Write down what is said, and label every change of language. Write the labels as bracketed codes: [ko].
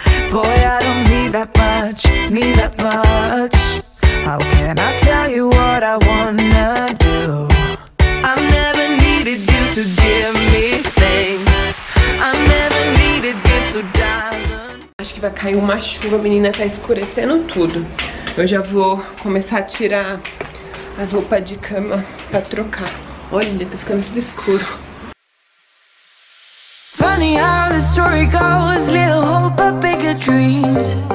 [en] Boy, I don't need that much, need that much. How can I tell you what I wanna do? I never needed you to give me things. I never needed gifts or diamonds. [pt] Acho que vai cair uma chuva, menina, tá escurecendo tudo. Eu já vou começar a tirar as roupas de cama pra trocar. Olha, tá ficando tudo escuro. [en] Funny how the story goes, little hope but bigger dreams.